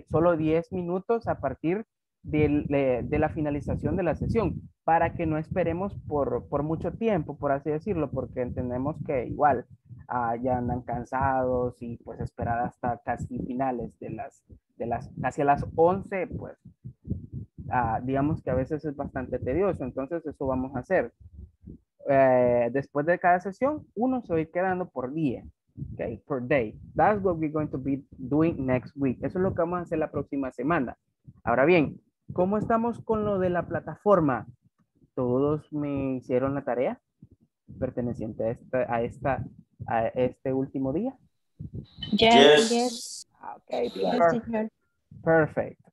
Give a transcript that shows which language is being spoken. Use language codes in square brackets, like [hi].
[es] Solo 10 minutos a partir de la finalización de la sesión, para que no esperemos por mucho tiempo, por así decirlo, porque entendemos que igual ya andan cansados y pues esperar hasta casi finales de las hacia las 11, pues digamos que a veces es bastante tedioso. Entonces eso vamos a hacer. Después de cada sesión, uno se va a ir quedando por día. [en] Okay, per day. That's what we're going to be doing next week. [es] Eso es lo que vamos a hacer la próxima semana. Ahora bien, ¿cómo estamos con lo de la plataforma? ¿Todos me hicieron la tarea perteneciente a este último día? [en] Yes. Ok, perfect.